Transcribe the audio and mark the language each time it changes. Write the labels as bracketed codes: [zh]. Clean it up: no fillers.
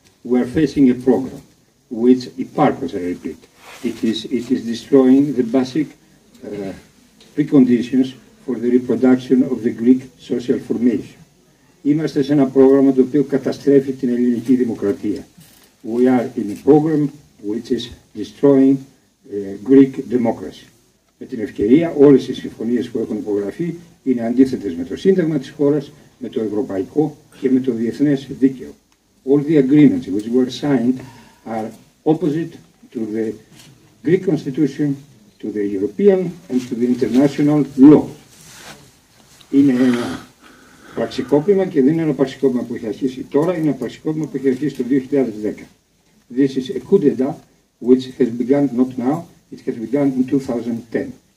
[en] We are facing a program which, in purpose, I repeat, it is destroying the basic preconditions for the reproduction of the Greek social formation. [el] Είμαστε σε ένα πρόγραμμα το οποίο καταστρέφει την ελληνική δημοκρατία. [en] We are in a program which is destroying Greek democracy. [el] Με την ευκαιρία, όλες οι συμφωνίες που έχουν υπογραφεί είναι αντίθετες με το σύνταγμα της χώρας, με το ευρωπαϊκό και με το διεθνές δίκαιο. [en] All the agreements which were signed are opposite to the Greek constitution, to the European and to the international law. [el] Είναι ένα πραξικόπημα και δεν είναι ένα πραξικόπημα που έχει αρχίσει τώρα, είναι ένα πραξικόπημα που έχει αρχίσει το 2010. [en] This is a coup d'etat which has begun not now, it has begun in 2010.